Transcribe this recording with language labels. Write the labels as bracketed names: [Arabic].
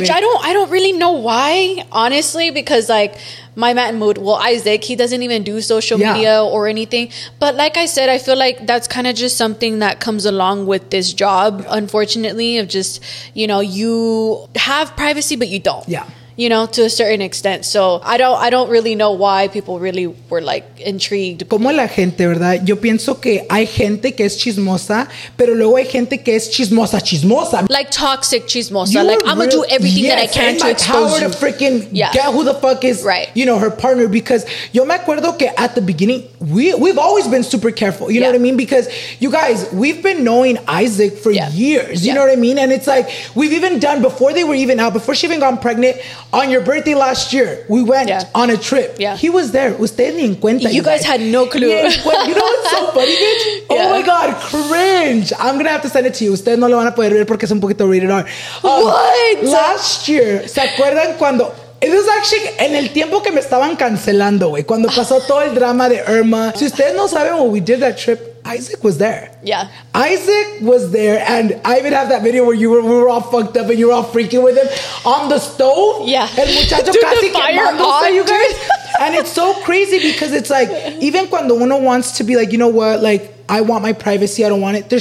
[English] Which I don't really know why, honestly, because like, my man Mood, well, Isaac, he doesn't even do social media or anything. But like I said, I feel like that's kind of just something that comes along with this job, unfortunately, of just, you know, you have privacy, but you don't. Yeah. You know, to a certain extent. So I don't really know why people really were like intrigued. [Spanish] Como la gente, ¿verdad? Yo pienso que hay gente que es chismosa, pero luego hay gente que es chismosa, chismosa. [English] Like toxic chismosa. You're like, I'm going to do everything that I can to expose you. To freaking get who the fuck is, you know, her partner. Because [Spanish] yo me acuerdo que [English] at the beginning, we've always been super careful. You know what I mean? Because you guys, we've been knowing Isaac for years. You know what I mean? And it's like, we've even done, before they were even out, before she even got pregnant, On your birthday last year, we went on a trip. Yeah. He was there. [Spanish] Usted ni en cuenta. [English] You guys had no clue. You know what's so funny, bitch? Yeah. Oh my God, cringe. I'm going to have to send it to you. [Spanish] Usted no lo van a poder ver porque es un poquito rated R. [English] What? Last year, [Spanish] ¿se acuerdan cuando... [English] It was actually [Spanish] en el tiempo que me estaban cancelando, güey. Cuando pasó todo el drama de Irma. Si ustedes no saben [English] when we did that trip, Isaac was there. Yeah. Isaac was there. And I even have that video where we were all fucked up and you were all freaking with him on the stove. Yeah. [Spanish] El muchacho dude, casi quemándose, [English] you guys. [Spanish] Dude. [English] And it's so crazy because it's like, even [Spanish] cuando uno [English] wants to be like, you know what, like, I want my privacy, I don't want it.